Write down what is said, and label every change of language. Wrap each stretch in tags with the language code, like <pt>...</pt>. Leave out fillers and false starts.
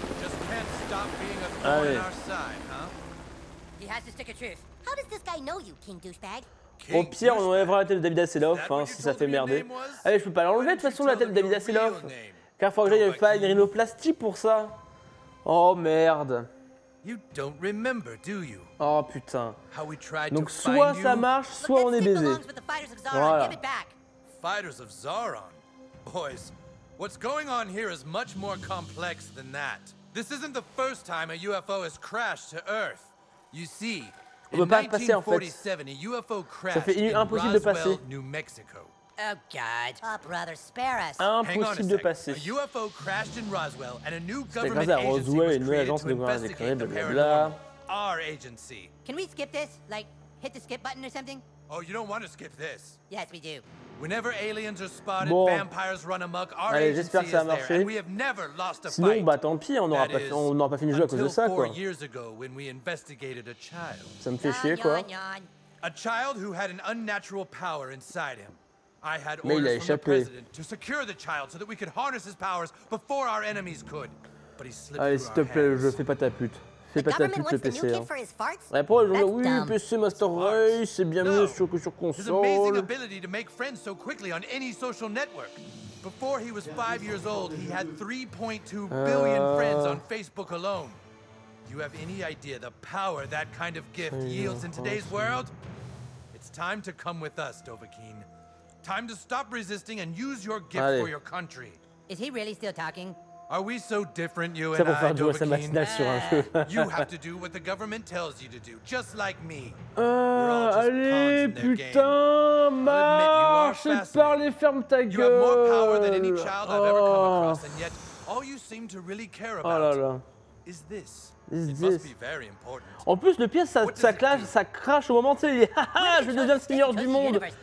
<en>Just can't stop being a thorn on our side, huh? He has to stick a truth. How does this guy know you, King Douchebag?</en> <fr>Au pire, on enlèvera la tête de David Hasselhoff, hein, si ça fait merder. Allez, je peux pas l'enlever de toute façon, la tête de David Hasselhoff. Car il faut que j'aille faire une rhinoplastie pour ça. Oh merde. Oh putain. Donc soit ça marche, soit on est baisé. Voilà.</fr> <en>Fighters of Zaron. Boys, what's going on here is much more complex than that. This isn't the first time a UFO has crashed to Earth. You see,</en> <fr>on peut pas passer en fait. Ça fait impossible de passer.</fr> <en>Oh God, brother, spare us.</en> <fr>Impossible de passer.</fr> <en>A UFO crashed in Roswell and a new government agency was created to investigate the our agency. Can we skip this? Like hit the skip button or something? Oh, you don't want to skip this. Yes, we do. Whenever aliens are spotted, vampires run amok, our agency is there, and we have never lost a fight.</en> <fr>Sinon, bah tant pis, on n'aura pas, fini le jeu à cause de ça, quoi.</fr> <en>Ago, when we investigated a child.</en> <fr>Ça me fait chier, quoi.</fr> <en>A child who had an unnatural power inside him. I had orders from the president to secure the child so that we could harness his powers before our enemies could. But he slipped</en> <fr>allez, s'il te plaît, je fais pas ta pute. Fais pas ta pute, le PC. Hein. Pour le oui, PC Master Race, c'est bien mieux sur que sur console.</fr> <en>Ability to make friends so quickly on any social network. Before he was 5 years old, he had 3.2 billion friends on Facebook alone. You have any idea the power that kind of gift yields in today's world? It's time to come with us, Dovahkiin. Time to stop resisting and use your gift</en> <fr>allez</fr> <en>for your country. Is he really still talking? Are we so different, you and I, Dovahkiin? You have to do what the government tells you to do, just like me.</en> <fr>Allez, putain, marche, parle et ferme ta gueule.</fr> <en>You have more power than any child I've ever come across, and yet all you seem to really care about is this.</en> <fr>En plus, le pire, ça clash, ça crache au moment, tu sais, je vais devenir le seigneur du monde.</fr>